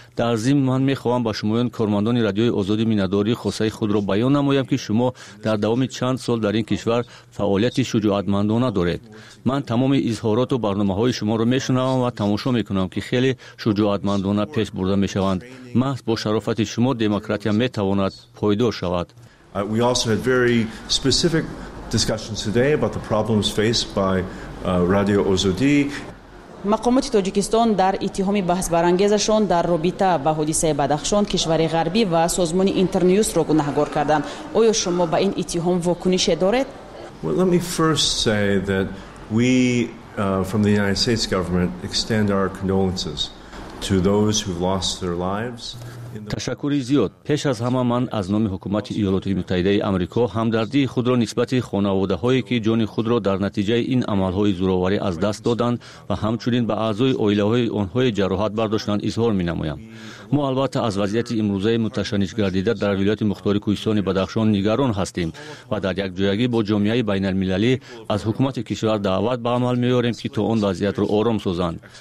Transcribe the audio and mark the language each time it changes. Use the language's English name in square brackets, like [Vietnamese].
[Persian] در ضمن من می خواهم با شمایان کارمندان رادیوی آزادی مینداری خواسته خود را بیان نمایم که شما در دوام چند سال در این کشور فعالیت شجاعتمندانه دارید. من تمام اظهارات و برنامه های شما را می شنوم و تماشا می کنم که خیلی شجاعتمندانه پیش برده می شوند. محض با شرافت شما دموکراسی می تواند پایدار شود. [English] We also had very specific discussions today about the problems faced by Radio Ozodi. [Persian] مقامات تاجیکستان در اتهام بحث برانگیزشان در رابطه با حادثه بدخشان کشور غربی و سازمان اینترنیوز را گناهکار کردند. آیا شما به این اتهام واکنش دارید؟ [English] Well, let me first say that we from the United States government extend our condolences to those who've lost their lives. [Persian] تشکری زیاد. پیش از همه من از نام حکومت ایالات متحده آمریکا همدردی خود را نسبت خانواده هایی که جان خود را در نتیجه این عمل های زورآوری از دست دادند و همچنین به اعضای آیله های آنهای جراحت برداشتند اظهار می نمایم. ما البته از وضعیت امروزه متشنج گردیده در ولایت مختار کوهستان بدخشان نگران هستیم و در یک جایگی با جامعه بین المللی از حکومت کشور دعوت به عمل می آوریم که تا آن وضعیت را آرام سازند.